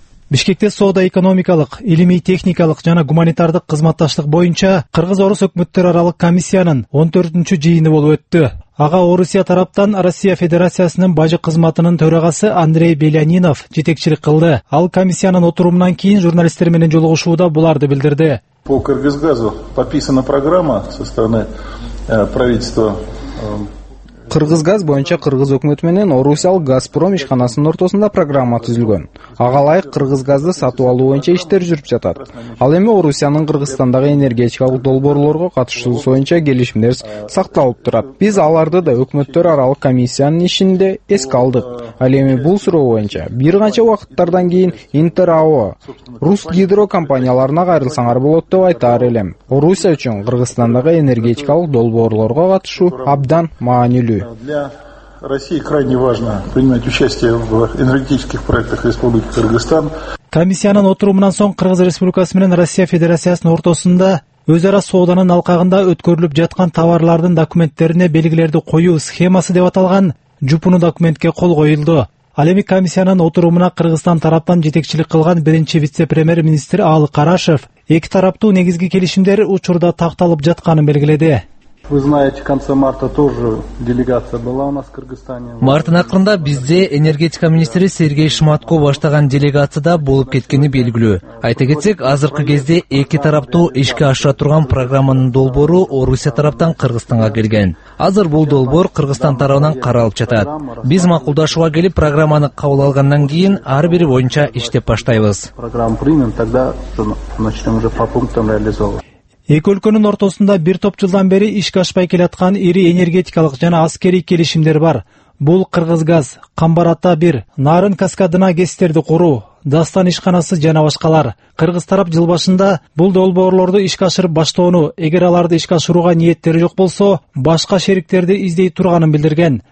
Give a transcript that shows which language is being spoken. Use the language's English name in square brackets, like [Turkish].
[Kyrgyz] Бишкекте соода экономикалык, илимий техникалык жана гуманитардык кызматташтык боюнча кыргыз орус өкмөттөр аралык комиссиянын 14-чү жыйыны болуп өттү. Ага Орусия тараптан Россия Федерациясынын бажы кызматынын төрагасы Андрей Белянинов жетекчилик кылды. Ал комиссиянын отурумунан кийин журналисттер менен жолугушууда буларды билдирди. [Russian] По Кыргызгазу подписана программа со стороны правительства. [Kyrgyz] Кыргызгаз боюнча кыргыз өкмөтү менен Орусиялык Газпром ишканасынын ортосунда программа түзүлгөн. Ага ылайык кыргызгазды сатып алуу боюнча иштер жүрүп жатат. Ал эми Орусиянын Кыргызстандагы энергетикалык долбоорлорго катышуусу боюнча келишимдер сакталып турат. Биз аларды да өкмөттөр аралык комиссиянын ишинде эске алдык. Ал эми бул суроо боюнча бир канча убакыттардан кийин Интерао, Русгидро компанияларына кайрылсаңар болот деп айтар элем. Орусия үчүн Кыргызстандагы энергетикалык долбоорлорго катышуу абдан маанилүү. [Russian] Для России крайне важно принимать участие в энергетических проектах Республики Кыргызстан. [Kyrgyz] Комиссиянын отурумунан соң Кыргыз Республикасы менен Россия Федерациясынын ортосунда өз ара сооданын алкагында өткөрүлүп жаткан товарлардын документтерине белгилерди коюу схемасы деп аталган жупуну документке кол коюлду. Ал эми комиссиянын отурумуна Кыргызстан тараптан жетекчилик кылган биринчи вице-премьер министр Алы Карашев эки тараптуу негизги келишимдер учурда такталып жатканын белгиледи. [Russian] Вы знаете, в конце марта тоже делегация была у нас в Кыргызстане. [Kyrgyz] Марттын акырында бизде энергетика министри Сергей Шматко баштаган делегацияда болуп кеткени белгилүү. Айта кетсек, азыркы кезде эки тараптуу ишке ашыра турган программанын долбоору Орусия тараптан Кыргызстанга келген. Азыр бул долбоор Кыргызстан тарабынан каралып жатат. Биз макулдашууга келип, программаны кабыл алгандан кийин ар бири боюнча иштеп баштайбыз. [Russian] Программа принята, тогда начнем уже по пунктам реализовывать. [Kyrgyz] Эки өлкөнүн ортосунда бир топ жылдан бери ишке ашпай келаткан ири энергетикалык жана аскерий келишимдер бар. Бул Кыргызгаз, Камбарата 1, Нарын каскадына гестерди куруу, Дастан ишканасы жана башкалар. Кыргыз тарап жыл башында бул долбоорлорду ишке ашырып баштоону, эгер аларды ишке ашырууга ниеттери жок болсо, башка шериктерди издей турганын билдирген.